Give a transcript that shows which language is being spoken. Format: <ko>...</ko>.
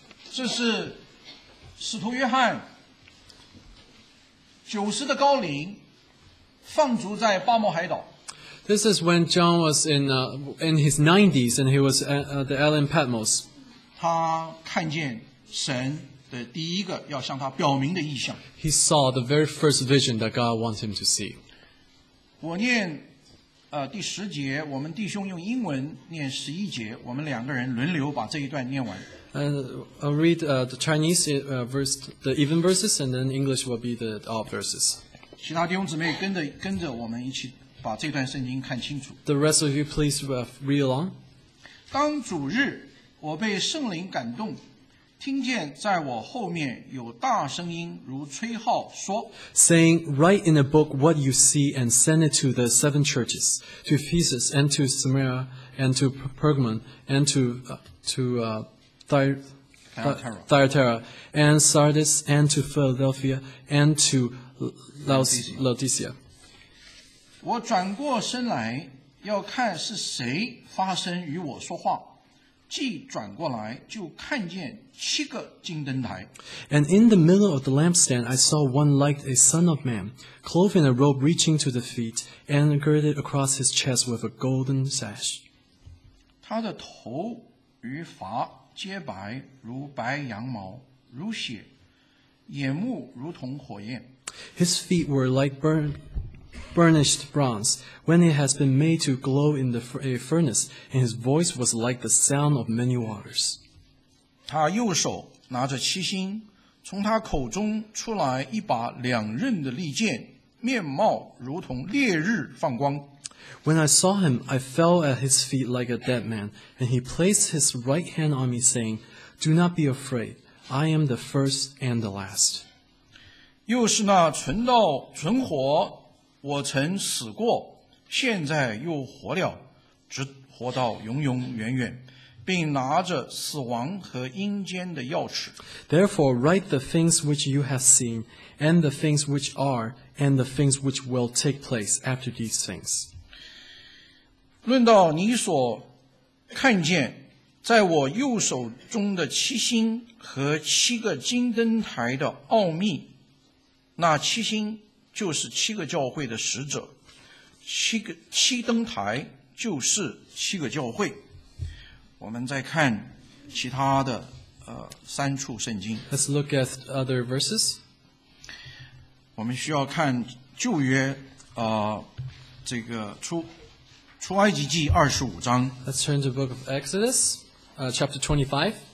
<zh>这是使徒约翰九十的高龄放逐在巴摩海岛。</zh> <en>This is when John was in his 90s and he was at the island Patmos.</en> <zh>他看见神的第一个要向他表明的异象。</zh> <en>He saw the very first vision that God wants him to see.</en> <zh>我念第十节，我们弟兄用英文念十一节，我们两个人轮流把这一段念完。</zh> <en>I'll read the Chinese verse, the even verses, and then English will be the odd verses.</en> <zh>其他弟兄姊妹跟着我们一起把这段圣经看清楚。</zh> <en>The rest of you please read along.</en> <zh>当主日，我被圣灵感动，听见在我后面有大声音如吹号说</zh> <en>saying, write in a book what you see and send it to the seven churches, to Ephesus and to Smyrna and to Pergamon and to Thyatira and Sardis and to Philadelphia and to Laodicea.</en> <zh>我转过身来要看是谁发声与我说话，既转过来就看见七个金灯台。</zh> <en>And in the middle of the lampstand, I saw one like a son of man, clothed in a robe reaching to the feet, and girded across his chest with a golden sash.</en> <zh>他的头与发皆白如白羊毛，如血，眼目如同火焰。</zh> <en>His feet were like burnished bronze, when it has been made to glow in a furnace, and his voice was like the sound of many waters.</en> <zh>他右手拿着七星，从他口中出来一把两刃的利剑，面貌如同烈日放光。</zh> <en>When I saw him, I fell at his feet like a dead man, and he placed his right hand on me, saying, Do not be afraid, I am the first and the last.</en> <zh>又是那存道存活，我曾死过，现在又活了，直活到永永远远，并拿着死亡和阴间的钥匙。</zh> <en>Therefore, write the things which you have seen, and the things which are, and the things which will take place after these things.</en> <zh>论到你所看见，在我右手中的七星和七个金灯台的奥秘，那七星就是七个教会的使者，七灯台就是七个教会。我们再看其他的三处圣经。</zh> <en>Let's look at other verses.</en> <zh>我们需要看旧约这个出埃及记二十五章。</zh> <en>Let's turn to the book of Exodus, chapter 25.</en>